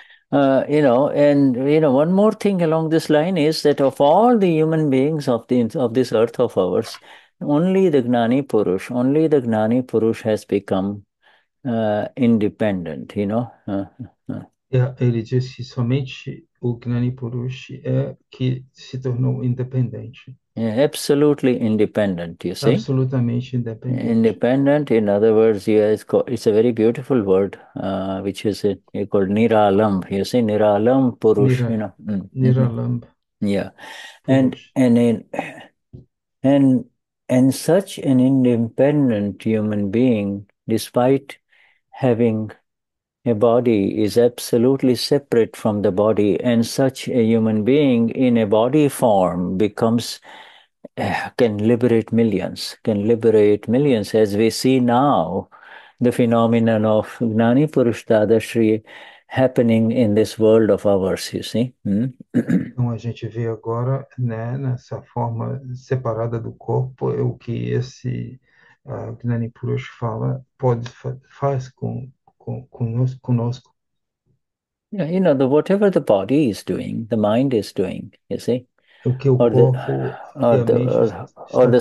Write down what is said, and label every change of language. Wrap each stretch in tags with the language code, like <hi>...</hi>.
<en>One more thing along this line is that of all the human beings of this earth of ours, only the Gnani Purush has become independent,</en> <pt>Ele disse que somente o Gnani Purusha é que se tornou independente.</pt> <en>Absolutely independent, you see.</en> <pt>Absolutamente independente.</pt> <en>Independent, in other words, it's a very beautiful word, which is called Niralam. You see, Niralam Purush, Nira, Niralamba and Purush. such an independent human being, despite having a body, is absolutely separate from the body, and such a human being in a body form becomes. Can liberate millions, as we see now, the phenomenon of Gnani Purush Dadashri happening in this world of ours, you see?</en> <pt>Então a gente vê agora, né, nessa forma separada do corpo, é o que esse Gnani Purush fala, pode faz conosco.</pt> <en>You know, whatever the body is doing, the mind is doing, you see?</en> <pt>O que o</pt> <en>Or the</en> <pt>corpo e a mente está fazendo, ou fala.</pt>